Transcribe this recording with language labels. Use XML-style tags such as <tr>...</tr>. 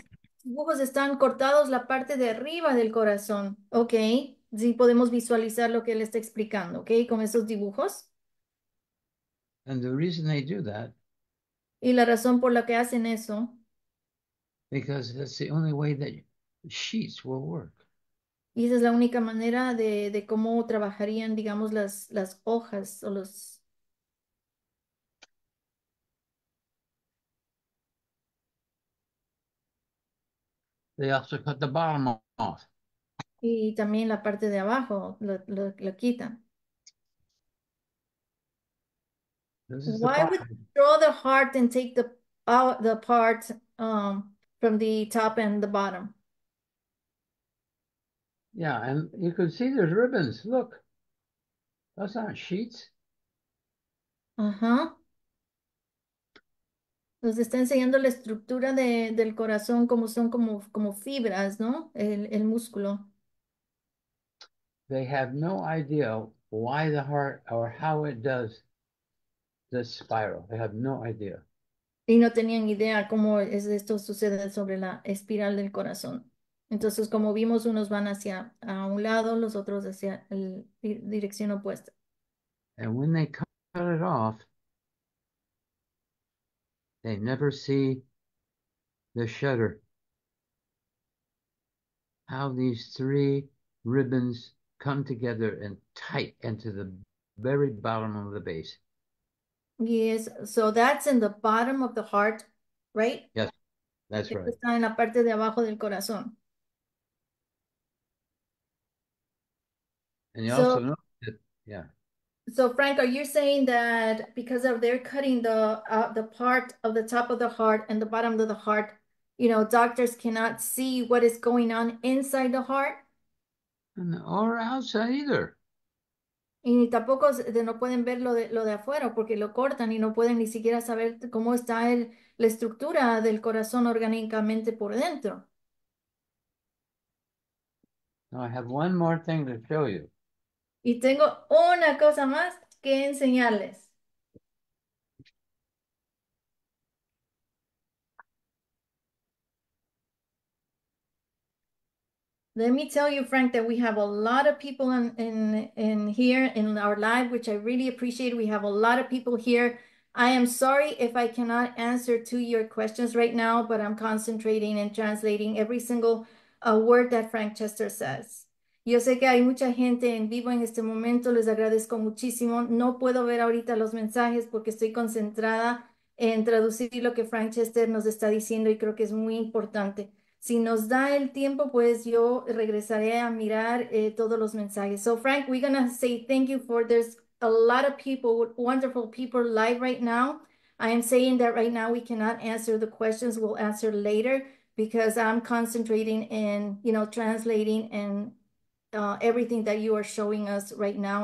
<es>dice, dibujos están cortados la parte de arriba del corazón. Ok, sí podemos visualizar lo que él está explicando, ok, con esos dibujos.</es> <en>And the reason they do that,</en> <es>Y la razón por la que hacen eso.</es> <en>because that's the only way that sheets will work.</en> <es>Y esa es la única manera de cómo trabajarían, digamos, las hojas o los.</es> <en>They also cut the bottom off.</en> <es>Y también la parte de abajo lo quitan.</es> <en>This is the Why would bottom. draw the heart and take the part from the top and the bottom? Yeah, and you can see there's ribbons. Look, those aren't sheets.</en> <es>Nos está enseñando la estructura del corazón, como son como fibras, ¿no? El músculo.</es> <en>They have no idea why the heart or how it does this spiral. They have no idea.</en> <es>Y no tenían idea cómo es esto sucede sobre la espiral del corazón. Entonces, como vimos, unos van hacia a un lado, los otros hacia la dirección opuesta.</es> <en>And when they cut it off, they never see the shutter. How these three ribbons come together and tight into the very bottom of the base. Yes, so that's in the bottom of the heart, right? That's right.</en> <es>Está en la parte de abajo del corazón.</es> <en>And you So, also know that, Frank, are you saying that because of they're cutting the part of the top of the heart and the bottom of the heart, doctors cannot see what is going on inside the heart? or outside either.</en> <es>Y ni tampoco de no pueden ver lo de afuera porque lo cortan y no pueden ni siquiera saber cómo está la estructura del corazón orgánicamente por dentro.</es> <en>Now I have one more thing to show you.</en> <es>Y tengo una cosa más que enseñarles.</es> <en>Let me tell you, Frank, that we have a lot of people in here in our live, which I really appreciate. We have a lot of people here. I am sorry if I cannot answer to your questions right now, but I'm concentrating and translating every single word that Frank Chester says.</en> <es>Yo sé que hay mucha gente en vivo en este momento. Les agradezco muchísimo. No puedo ver ahorita los mensajes porque estoy concentrada en traducir lo que Frank Chester nos está diciendo y creo que es muy importante. Si nos da el tiempo, pues yo regresaré a mirar todos los mensajes.</es> <en>So, Frank, we're gonna say thank you for there's a lot of people, wonderful people live right now. I am saying that right now we cannot answer the questions. We'll answer later because I'm concentrating in, translating and everything that you are showing us right now.</en>